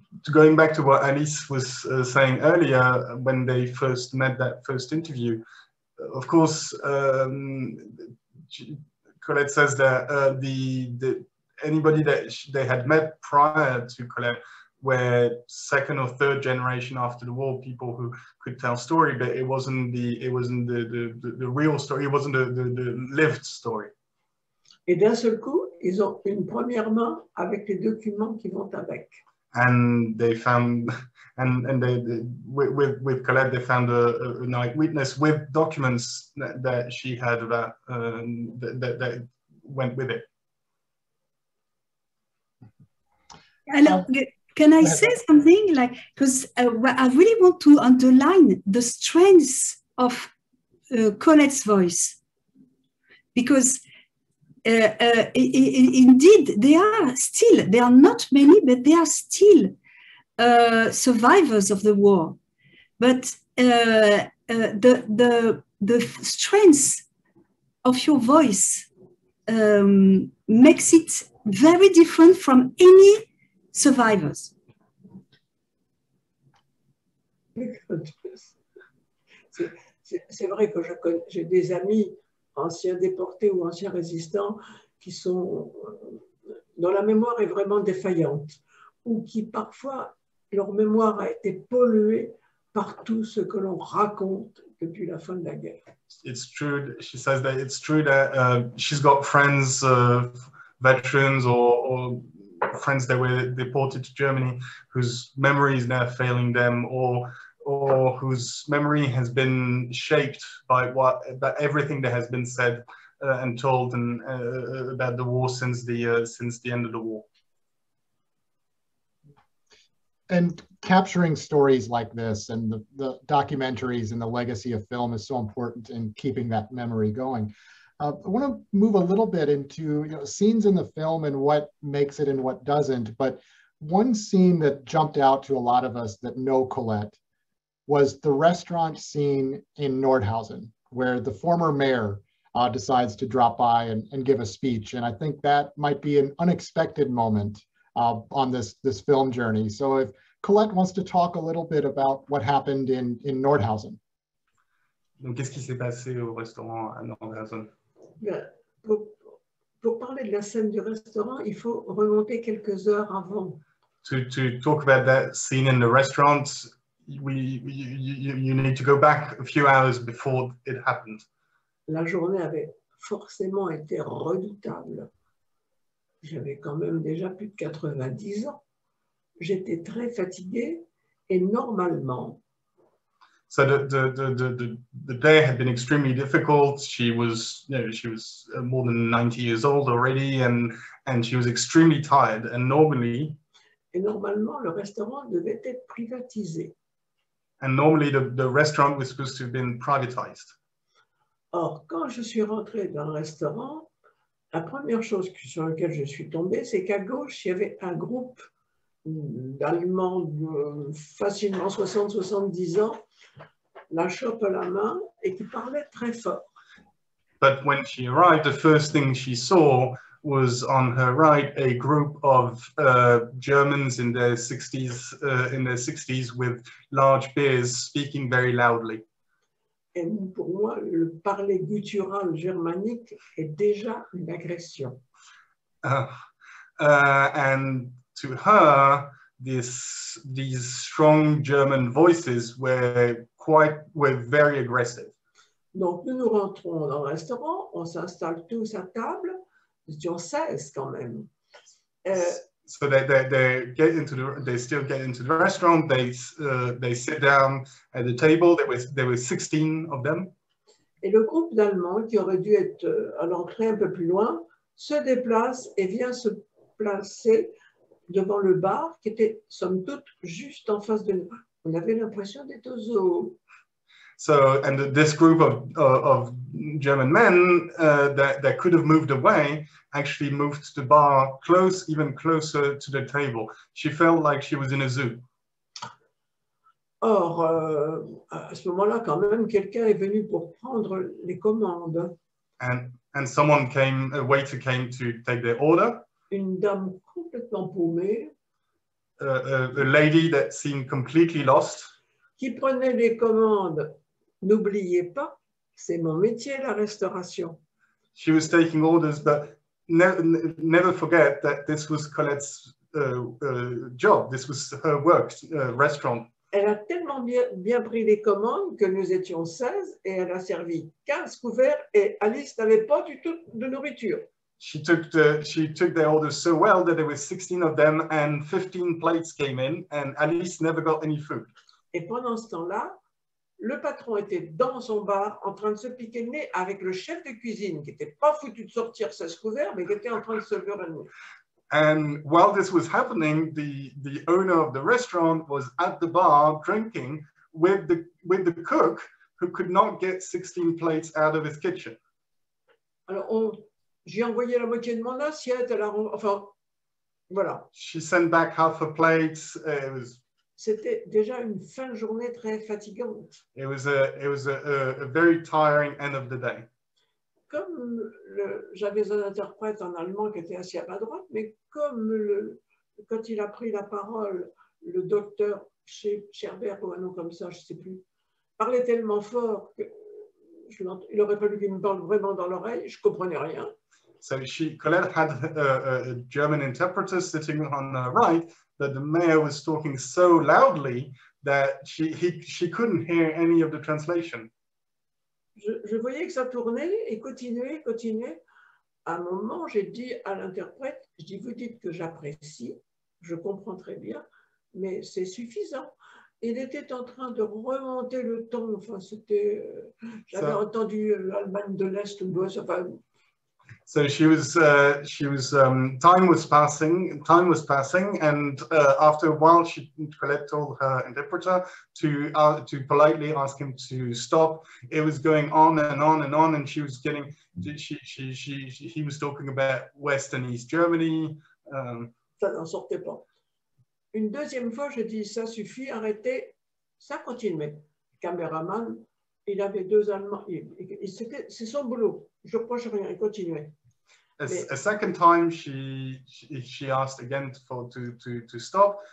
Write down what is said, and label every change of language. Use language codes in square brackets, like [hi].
[en] Going back to what Alice was saying earlier, when they first met that first interview, of course, Colette says that anybody that they had met prior to Colette were second or third generation after the war, people who could tell story, but it wasn't the real story, it wasn't the lived story. [fr] Et d'un seul coup, ils ont une première main avec les documents qui vont avec. [en] And they found, with Colette, they found an eyewitness with documents that she had that went with it. Hello. Can I say something? Like, because I really want to underline the strength of Colette's voice, because indeed there are not many, but they are still survivors of the war. But the strength of your voice makes it very different from any survivors. [fr] C'est vrai que j'ai des amis anciens déportés ou anciens résistants qui sont dont la mémoire est vraiment défaillante, ou qui parfois leur mémoire a été polluée par tout ce que l'on raconte depuis la fin de la guerre. [en] It's true, she says that it's true that she's got friends, veterans or friends that were deported to Germany, whose memory is now failing them, or whose memory has been shaped by everything that has been said and told and about the war since the end of the war. And capturing stories like this and the documentaries and the legacy of film is so important in keeping that memory going. I want to move a little bit into, you know, scenes in the film and what makes it and what doesn't. But one scene that jumped out to a lot of us that know Colette was the restaurant scene in Nordhausen, where the former mayor decides to drop by and give a speech. And I think that might be an unexpected moment on this film journey. So if Colette wants to talk a little bit about what happened in Nordhausen. [fr] Donc, qu'est-ce qui s'est passé au restaurant à Nordhausen? Pour parler de la scène du restaurant, il faut remonter quelques heures avant. [en] To talk about that scene in the restaurant, you need to go back a few hours before it happened. [fr] La journée avait forcément été redoutable. J'avais quand même déjà plus de 90 ans. J'étais très fatiguée et normalement. [en] So the day had been extremely difficult. She was, you know, she was more than 90 years old already, and she was extremely tired. And normally, [fr] le restaurant devait être privatisé. [en] And normally the restaurant was supposed to have been privatized. [fr] Or, quand je suis rentrée dans le restaurant, la première chose sur laquelle je suis tombée, c'est qu'à gauche, il y avait un groupe d'Allemands facilement 60-70 ans, la chope à la main et qui parlait très fort. [en] But when she arrived, the first thing she saw was on her right a group of Germans in their 60s with large beards speaking very loudly. [fr] Et pour moi, le parler guttural germanique est déjà une agression. [en] And to her, these strong German voices were very aggressive. [fr] Donc nous rentrons dans le restaurant, on s'installe tous à table, nous étions 16 quand même. [en] So they still get into the restaurant, they sit down at the table, there were 16 of them. [fr] Et le groupe d'Allemands qui aurait dû être à l'entrée un peu plus loin se déplace et vient se placer devant le bar qui était somme toute juste en face de nous. On avait l'impression d'être au zoo. [en] So, and this group of German men that could have moved away actually moved to the bar close, even closer to the table. She felt like she was in a zoo. [fr] Or, à ce moment-là, quand même, quelqu'un est venu pour prendre les commandes. [en] And someone came, a waiter came to take their order. [fr] Une dame complètement paumée. [en] A lady that seemed completely lost. [fr] Qui prenait les commandes. N'oubliez pas, c'est mon métier, la restauration. [en] She was taking orders, but never forget that this was Colette's job. This was her work, restaurant. [fr] Elle a tellement bien pris les commandes que nous étions 16 et elle a servi 15 couverts et Alice n'avait pas du tout de nourriture. [en] She took their orders so well that there were 16 of them and 15 plates came in and Alice never got any food. [fr] Et pendant ce temps-là, le patron était dans son bar en train de se piquer le nez avec le chef de cuisine qui n'était pas foutu de sortir sa couvert, mais qui était en train de se lever le nez. [en] And while this was happening, the owner of the restaurant was at the bar drinking with the cook who could not get 16 plates out of his kitchen. [fr] Alors, j'ai envoyé la moitié de mon assiette, enfin, voilà. [en] She sent back half her plates. [fr] C'était déjà une fin de journée très fatigante. [en] It was a very tiring end of the day. [fr] Comme j'avais un interprète en allemand qui était assis à ma droite, mais comme quand il a pris la parole, le docteur Scherber, ou un nom comme ça, je ne sais plus, parlait tellement fort qu'il aurait fallu qu'il me parle vraiment dans l'oreille, je ne comprenais rien. [en] So Colette had a German interpreter sitting on her right, but the mayor was talking so loudly that she couldn't hear any of the translation. [fr] Je voyais que ça tournait et continuait. À un moment, j'ai dit à l'interprète, je dis, vous dites que j'apprécie, je comprends très bien, mais c'est suffisant. Il était en train de remonter le ton, enfin c'était, j'avais entendu l'Allemagne de l'Est ou l'Ouest, enfin... [en] So time was passing, and after a while, Colette told her interpreter to politely ask him to stop. It was going on and on and on, and she was getting, he was talking about West and East Germany. [fr] Ça n'en sortait pas. Une deuxième fois, je dis, ça suffit, arrêtez, ça continue. Le caméraman Il avait deux Allemands. C'est son boulot. Je reproche rien. Il continuait. [en] A second time, she asked again to stop.